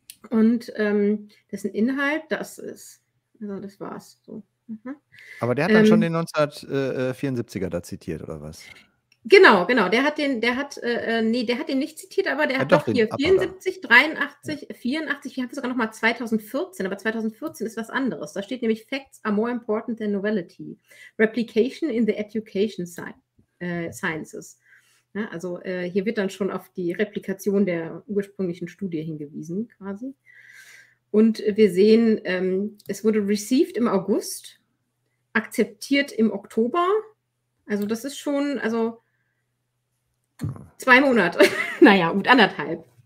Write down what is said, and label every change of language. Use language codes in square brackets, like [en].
[de] Und dessen Inhalt, das ist, also das war's. So. Mhm. Aber der hat dann schon den 1974er da zitiert, oder was? Genau, genau. Der hat den nicht zitiert, aber der hat doch hier 74, 83, 84, ich habe sogar nochmal 2014, aber 2014 ist was anderes. Da steht nämlich, [en] Facts are more important than novelty. Replication in the education sciences. [de] Ja, also hier wird dann schon auf die Replikation der ursprünglichen Studie hingewiesen quasi. Und wir sehen, es wurde received im August, akzeptiert im Oktober. Also das ist schon, also 2 Monate, naja, gut, anderthalb.